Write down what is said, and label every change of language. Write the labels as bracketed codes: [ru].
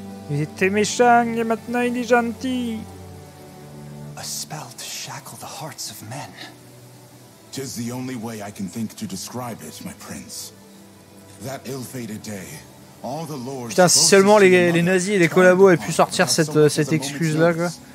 [fr] Il était méchant et maintenant il est gentil. [en] A spell to shackle the hearts of men. 'Tis the only way I can think to describe it, my prince. That ill-fated day. [fr] Putain, si seulement les nazis et les collabos avaient pu sortir cette excuse-là, quoi.